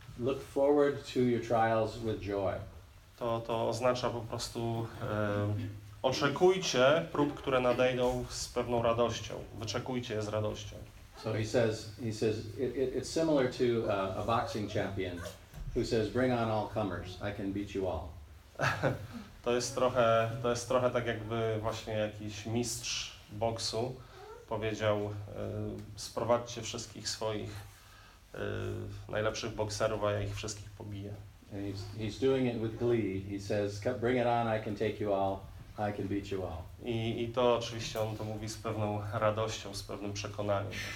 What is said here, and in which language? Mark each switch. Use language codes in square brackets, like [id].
[en] Look forward to your trials with joy. [pl] To oznacza po prostu oczekujcie prób, które nadejdą z pewną radością. Wyczekujcie je z radością. [en] So he says it's similar to a boxing champion who says bring on all comers, I can beat you all. [pl] to jest trochę tak jakby właśnie jakiś mistrz boksu powiedział sprowadźcie wszystkich swoich najlepszych bokserów, a ja ich wszystkich pobiję. [en] And he's doing it with glee. He says, bring it on, I can take you all, I can beat you all. [pl] I to oczywiście on to mówi z pewną radością, z pewnym przekonaniem.